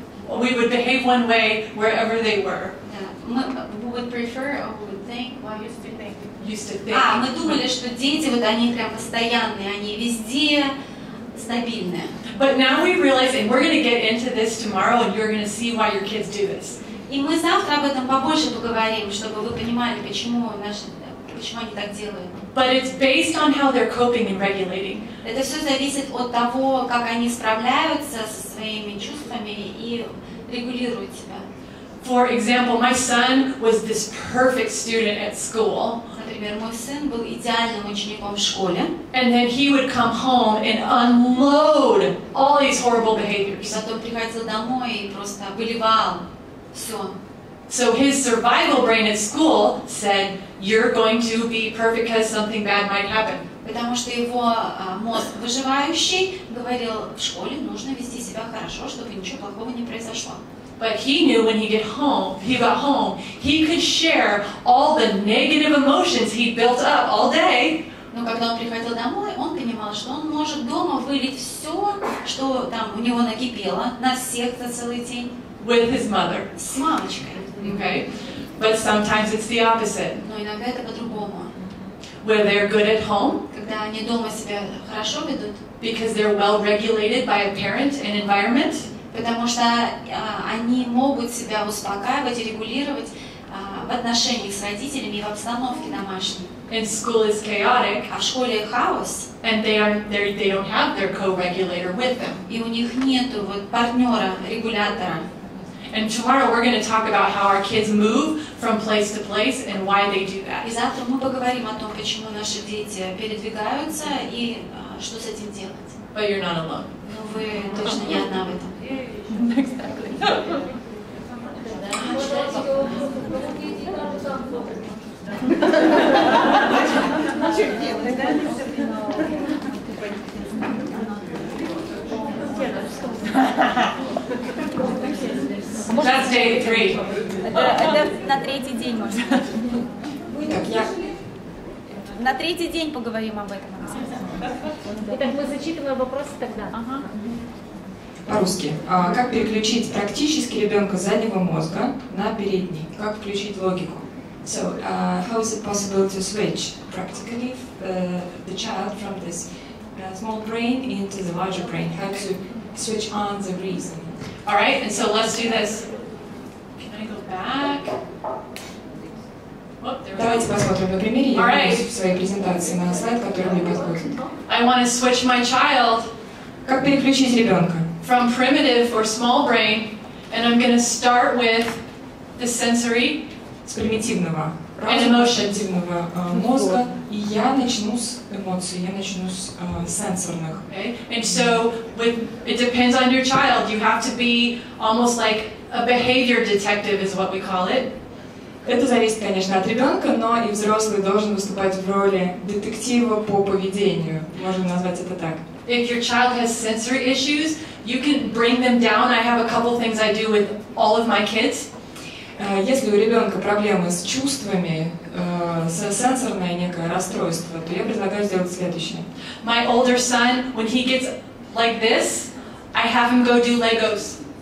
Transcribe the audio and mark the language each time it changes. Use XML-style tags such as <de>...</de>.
<en>We would behave one way wherever they were.</en> <ru>Мы думали, что дети, они прям постоянные, они везде стабильные.</ru> <en>But now we realize, and we're going to get into this tomorrow, and you're going to see why your kids do this.</en> <ru>И мы завтра об этом побольше поговорим, чтобы вы понимали, почему почему они так делают.</ru> <en>But it's based on how they're coping and regulating.</en> <ru>Это все зависит от того, как они справляются со своими чувствами и регулируют себя.</ru> <en>For example, my son was this perfect student at school.</en> <ru>Например, мой сын был идеальным учеником в школе.</ru> <en>And then he would come home and unload all these horrible behaviors.</en> <ru>И потом приходил домой и просто выливал все.</ru> <en>So his survival brain at school said, "You're going to be perfect because something bad might happen."</en> <ru>Потому что его мозг выживающий говорил, в школе нужно вести себя хорошо, чтобы ничего плохого не произошло.</ru> <en>But he knew when he got home, he could share all the negative emotions he built up all day.</en> <ru>Но когда он приходил домой, он понимал, что он может дома вылить все, что там у него накипело на всех за целый день.</ru> <en>With his mother.</en> <ru>С мамочкой.</ru> <en>Okay. But sometimes it's the opposite.</en> <ru>Но иногда это по-другому.</ru> <en>Where they're good at home.</en> <ru>Когда они дома себя хорошо ведут.</ru> <en>Because they're well regulated by a parent and environment.</en> <ru>Потому что они могут себя успокаивать и регулировать в отношениях с родителями и в обстановке домашней.</ru> <en>And school is chaotic.</en> <ru>А в школе хаос.</ru> <en>And they don't have their co-regulator with them.</en> <ru>И у них нету вот партнера, регулятора.</ru> <en>And tomorrow we're going to talk about how our kids move from place to place and why they do that.</en> <ru>И завтра мы поговорим о том, почему наши дети передвигаются и что с этим делать.</ru> <en>But you're not alone.</en> <ru>Но вы точно не одна в этом.</ru> <en>That's day three.</en> <ru>Это на третий день можно. На третий день поговорим об этом. Итак, мы зачитываем вопросы тогда. Ага. По-русски. А как переключить практически ребенка заднего мозга на передний? Как включить логику?</ru> <en>So, how is it possible to switch practically the child from this small brain into the larger brain? How to switch on the reason? All right, and so let's do this. Can I go back? Oh,</en> <ru>давайте посмотрим на примере. Я вернусь в своей презентации на слайд, который мне подходит.</ru> <en>I want to switch my child.</en> <ru>Как переключить ребенка?</ru> <en>From primitive or small brain, and I'm going to start with the sensory.</en> <ru>С примитивного.</ru> <en>And emotion.</en> <ru>Примитивного мозга. И я начну с эмоций. Я начну с сенсорных.</ru> <en>Okay. And so, it depends on your child. You have to be almost like a behavior detective, is what we call it.</en> <ru>Это зависит, конечно, от ребенка, но и взрослый должен выступать в роли детектива по поведению. Можем назвать это так.</ru> <en>If your child has sensory issues, you can bring them down. I have a couple things I do with all of my kids.</en> <ru>Если у ребенка проблемы с чувствами, с сенсорное некое расстройство, то я предлагаю сделать следующее.</ru> <en>My older son, when he gets like this, I have him go do Legos.</en>